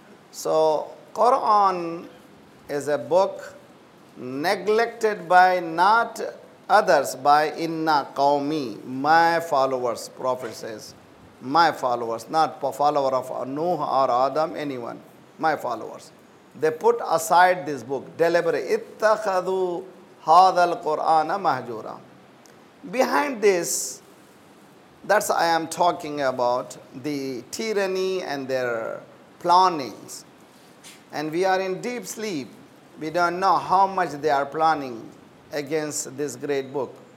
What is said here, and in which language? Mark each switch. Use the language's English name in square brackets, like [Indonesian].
[English] So Quran is a book neglected by not others, by [Arabic] inna qawmi, [English] my followers, Prophet says. My followers, not follower of Nuh or Adam, anyone. My followers. They put aside this book, deliberately. [Arabic] اتخذوا هذا القرآن مهجورا. [English] Behind this, that's I am talking about, the tyranny and their plannings. And we are in deep sleep. We don't know how much they are planning against this great book.